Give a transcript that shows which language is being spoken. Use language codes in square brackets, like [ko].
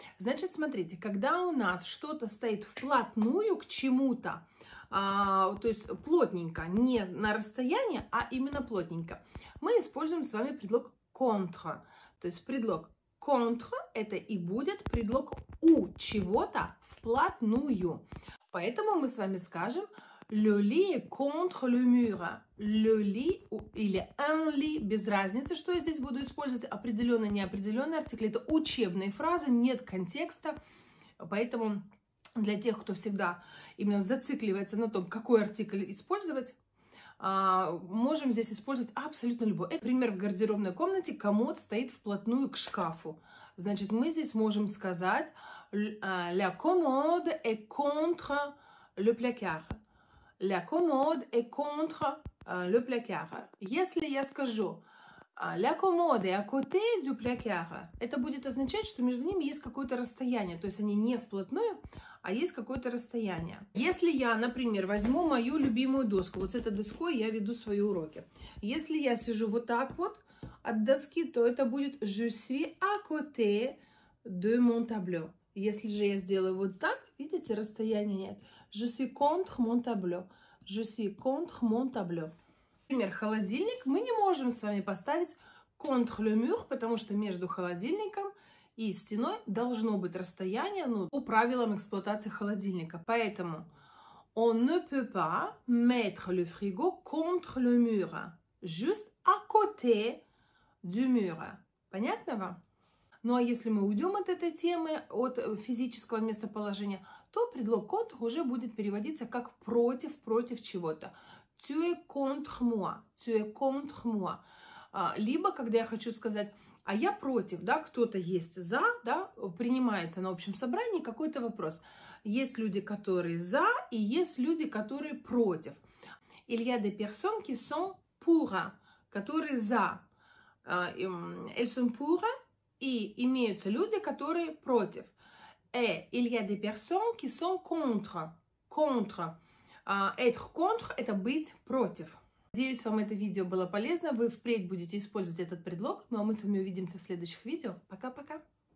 [ru] Значит, смотрите, когда у нас что-то стоит вплотную к чему-то, то есть плотненько, не на расстоянии, а именно плотненько, мы используем с вами предлог «contre». То есть предлог «contre» — это и будет предлог «у» чего-то вплотную. Поэтому мы с вами скажем [fr] «Le lit contre le mur». «Le lit» или «un lit». [ru] Без разницы, что я здесь буду использовать. Определенный, неопределенный артикль. Это учебные фразы, нет контекста. Поэтому для тех, кто всегда именно зацикливается на том, какой артикль использовать, можем здесь использовать абсолютно любой. Это, например, в гардеробной комнате комод стоит вплотную к шкафу. Значит, мы здесь можем сказать [fr] «La commode est contre le placard». La commode est contre le placard. [ru] Если я скажу [fr] la commode est à côté du placard, [ru] это будет означать, что между ними есть какое-то расстояние. То есть они не вплотную, а есть какое-то расстояние. Если я, например, возьму мою любимую доску, вот с этой доской я веду свои уроки. Если я сижу вот так вот от доски, то это будет [fr] je suis à côté de mon tableau. [ru] Если же я сделаю вот так, видите, расстояния нет. [fr] Je suis contre mon tableau. Je suis contre mon tableau. [ru] Например, холодильник. Мы не можем с вами поставить [fr] contre le mur, [ru] потому что между холодильником и стеной должно быть расстояние, ну, по правилам эксплуатации холодильника. Поэтому [fr] on ne peut pas mettre le frigo contre le mur. Juste à côté du mur. [ru] Понятно вам? Ну а если мы уйдем от этой темы, от физического местоположения, то предлог contre уже будет переводиться как против, против чего-то. [fr] Tu es contre moi. Tu es contre moi. [ru] Либо, когда я хочу сказать, а я против, да, кто-то есть за, да, принимается на общем собрании какой-то вопрос. Есть люди, которые за, и есть люди, которые против. [fr] Il y a des personnes qui sont pour, [ru] которые за. [fr] Elles sont pour. [ru] И имеются люди, которые против. [fr] Il y a des personnes qui sont contre. Contre. Être contre [ru] – это быть против. Надеюсь, вам это видео было полезно. Вы впредь будете использовать этот предлог. Ну, а мы с вами увидимся в следующих видео. Пока-пока!